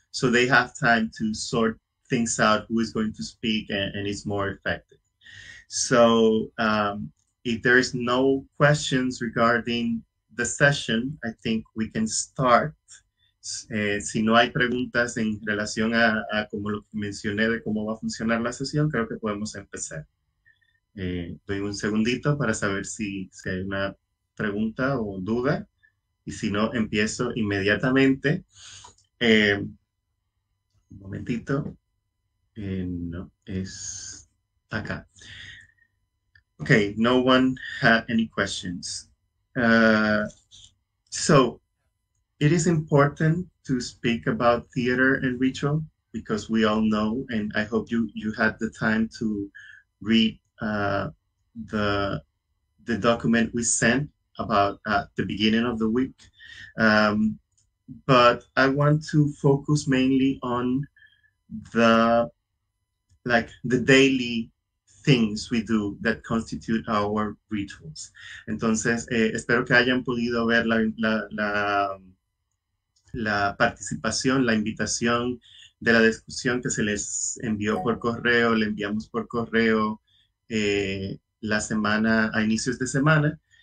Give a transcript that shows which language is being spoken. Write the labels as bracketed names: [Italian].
[English] So they have time to sort things out, who is going to speak, and is more effective. So if there is no questions regarding the session, I think we can start. [Spanish] Si no hay preguntas en relación a como lo que mencioné de cómo va a funcionar la sesión, creo que podemos empezar. Doy un segundito para saber si hay una pregunta o duda, y si no, empiezo inmediatamente. Un momentito, no, es acá. [English] Okay, no one had any questions. So it is important to speak about theater and ritual, because we all know, and I hope you had the time to read the document we sent about at the beginning of the week. But I want to focus mainly on the daily things we do that constitute our rituals. [Spanish] Entonces, espero que hayan podido ver la participación, la invitación de la discusión que se les envió por correo, le enviamos por correo la semana, a inicios de semana.